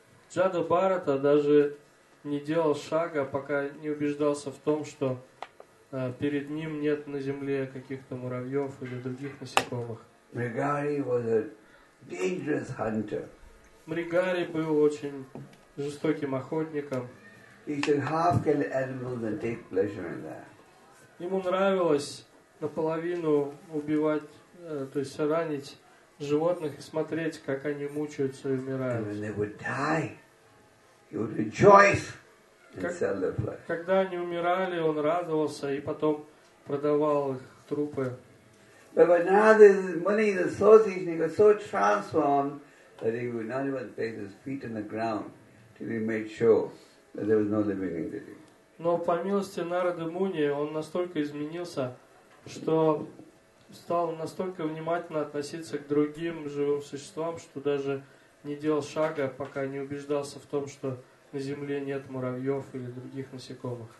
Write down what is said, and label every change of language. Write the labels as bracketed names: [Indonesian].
[Russian] Джада Бхарата даже не делал шага, пока не убеждался в том, что перед ним нет на земле каких-то муравьев или других насекомых. [English] Dangerous hunter. [Russian] Мригари был очень жестоким охотником. [English] He could half kill animals and take pleasure in that. [Russian] Ему нравилось наполовину убивать, то есть ранить животных и смотреть, как они мучаются и умирают. [English] And when they would die, he would rejoice and sell their flesh. [Russian] Когда они умирали, он радовался и потом продавал их трупы. [English] But now this money, the association, he got so transformed that he would not even place his feet on the ground till he made sure that there was no living entity. [Russian] Но по милости Нарады Муни он настолько изменился, что стал настолько внимательно относиться к другим живым существам, что даже не делал шага, пока не убеждался в том, что на земле нет муравьев или других насекомых.